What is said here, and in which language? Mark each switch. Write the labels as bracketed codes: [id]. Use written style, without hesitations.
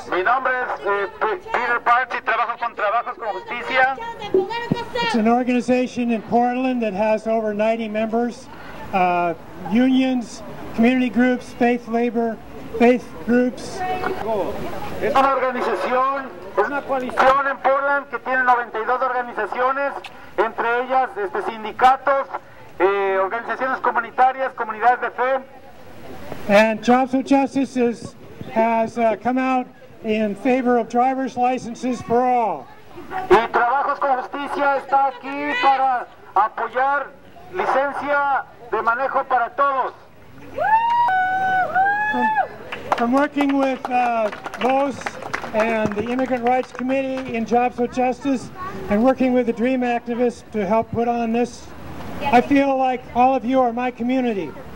[es] Mi nombre es Peter Parks y trabajo con Trabajos con Justicia. [en] It's an organization in Portland that has over 90 members, unions, community groups, faith labor, faith groups. [es] Es una organización, es una coalición en Portland que tiene 92 organizaciones, entre ellas sindicatos, organizaciones comunitarias, comunidades de fe. [en] And Jobs of Justice has come out in favor of driver's licenses for all. [es] Y Trabajos con Justicia está aquí para apoyar licencia de manejo para todos. [en] From working with Los and the Immigrant Rights Committee in Jobs of Justice and working with the DREAM activists to help put on this, I feel like all of you are my community.